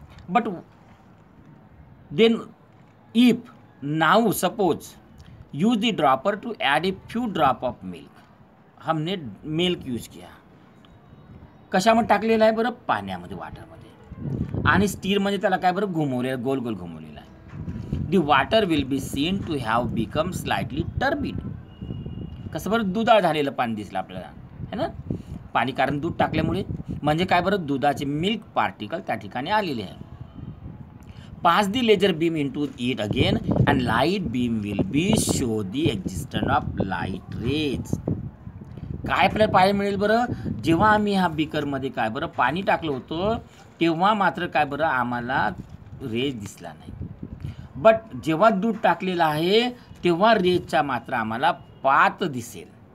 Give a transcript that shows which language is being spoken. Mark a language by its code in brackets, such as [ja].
[en] But then if now suppose use the dropper to add a few drop of milk. [hi] हमने milk use किया [mr] कशामध्ये टाकलेलं आहे बरं पाण्यामध्ये वॉटरमध्ये. आणि स्टीर म्हणजे त्याला काय बरं घुमवले गोल गोल घुमवलेलं आहे. [en] The water will be seen to have become slightly turbid. [mr] कसं बरं दुधाळ झालेलं पाणी दिसलं आपल्याला, है ना. पाणी कारण दूध टाकल्यामुळे म्हणजे काय बरं दुधाचे मिल्क पार्टिकल त्या ठिकाणी आलेले आहे. [en] Pass the laser beam into it again and light beam will be show the existence of light rays. [mr] काय आपल्याला पाहायला मिळेल बरं, जेव्हा आम्ही ह्या बीकरमध्ये काय बरं पाणी टाकलं होतं तेव्हा मात्र काय बरं आम्हाला रेज दिसला नाही. बट जेव्हा दूध टाकलेलं आहे तेव्हा रेजचा मात्र आम्हाला पात दिसेल.